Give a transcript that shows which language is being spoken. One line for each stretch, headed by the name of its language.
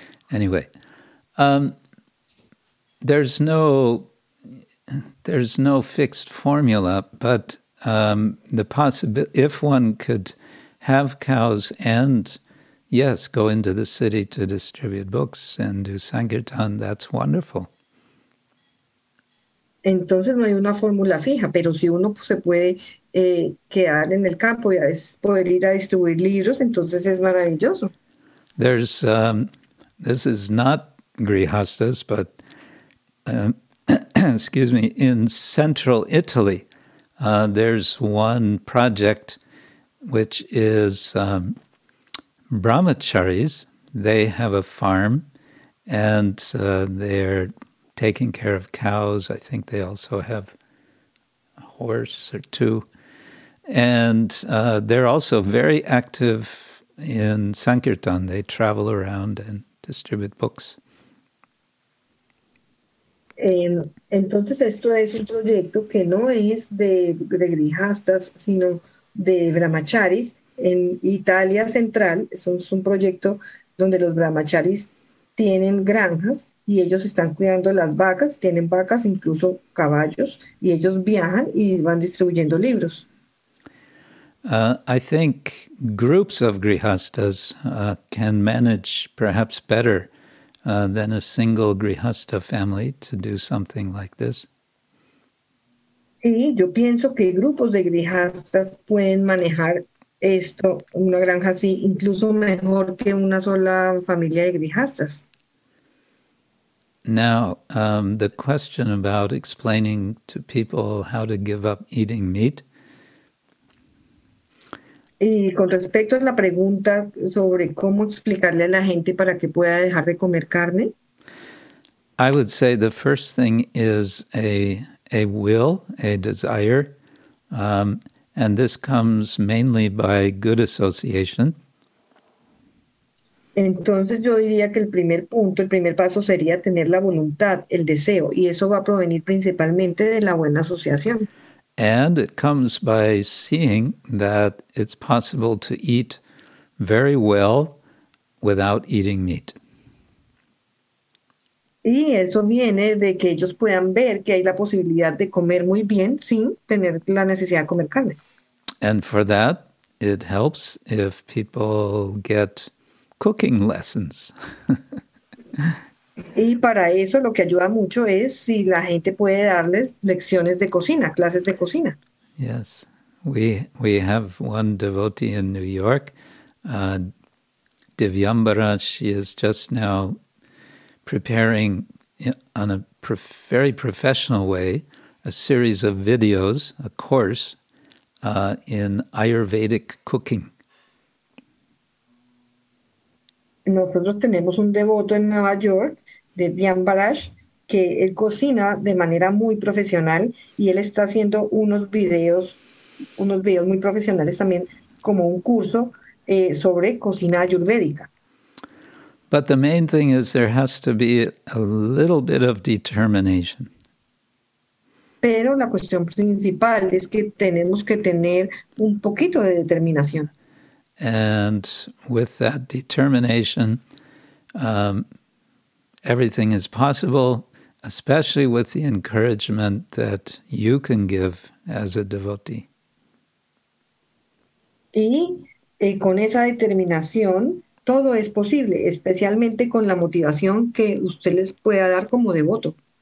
English: Anyway, there's no fixed formula, but if one could have cows and, yes, go into the city to distribute books and do Sankirtan, that's wonderful.
Spanish: Entonces no hay una fórmula fija, pero si uno se puede quedar en el campo y poder ir a distribuir libros, entonces es maravilloso.
English: There's this is not Grihastas, but excuse me, in central Italy, there's one project which is Brahmacharis. They have a farm and they're taking care of cows. I think they also have a horse or two. And they're also very active in Sankirtan. They travel around and distribute books.
Spanish: Entonces, esto es un proyecto que no es de Grihastas, sino de Brahmacharis. En Italia Central, es un proyecto donde los Brahmacharis tienen granjas y ellos están cuidando las vacas, tienen vacas, incluso caballos, y ellos viajan y van distribuyendo libros.
English: I think groups of Grihastas can manage perhaps better than a single Grihastha family to do something like this.
Spanish: Sí, yo pienso que grupos de Grihastas pueden manejar esto, una granja así, incluso mejor que una sola familia de Grihastas.
English: Now, the question about explaining to people how to give up eating meat.
Spanish: Y con respecto a la pregunta sobre cómo explicarle a la gente para que pueda dejar de comer carne.
English: I would say the first thing is a will, a desire, and this comes mainly by good association.
Spanish: Entonces yo diría que el primer punto, el primer paso sería tener la voluntad, el deseo, y eso va a provenir principalmente de la buena asociación.
English: And it comes by seeing that it's possible to eat very well without eating meat.
Spanish: Y eso viene de que ellos puedan ver que hay la posibilidad de comer muy bien sin tener la necesidad de comer carne.
English: And for that, it helps if people get cooking lessons.
Spanish: Y para eso lo que ayuda mucho es si la gente puede darles lecciones de cocina, clases de cocina.
English: Yes, we have one devotee in New York, Divyambara. She is just now preparing on a very professional way a series of videos, a course in Ayurvedic cooking.
Spanish: Nosotros tenemos un devoto en Nueva York, de Vian Barash, que él cocina de manera muy profesional y él está haciendo unos videos muy profesionales también, como un curso sobre cocina ayurvédica.
English: But the main thing is there has to be a little bit of determination.
Spanish: Pero la cuestión principal es que tenemos que tener un poquito de determinación.
English: And with that determination, everything is possible, especially with the encouragement that you can give as a devotee.
Spanish: Y con esa determinación, todo es posible, especialmente con la motivación que usted les pueda dar como devoto.